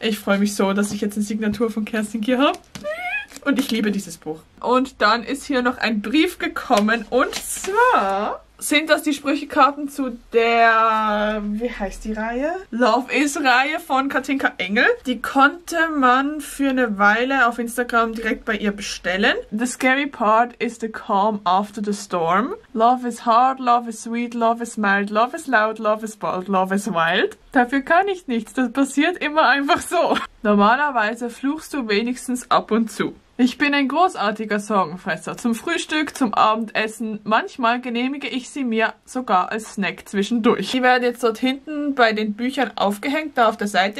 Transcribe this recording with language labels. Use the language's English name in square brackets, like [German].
[German] Ich freue mich so, dass ich jetzt eine Signatur von Kerstin Gier habe. Und ich liebe dieses Buch. Und dann ist hier noch ein Brief gekommen und zwar sind das die Sprüchekarten zu der, wie heißt die Reihe? Love Is Reihe von Katinka Engel. Die konnte man für eine Weile auf Instagram direkt bei ihr bestellen. [English] The scary part is the calm after the storm. Love is hard, love is sweet, love is mild, love is loud, love is bold, love is wild. [German] Dafür kann ich nichts, das passiert immer einfach so. Normalerweise fluchst du wenigstens ab und zu. Ich bin ein großartiger Sorgenfresser. Zum Frühstück, zum Abendessen. Manchmal genehmige ich sie mir sogar als Snack zwischendurch. Die werden jetzt dort hinten bei den Büchern aufgehängt, da auf der Seite.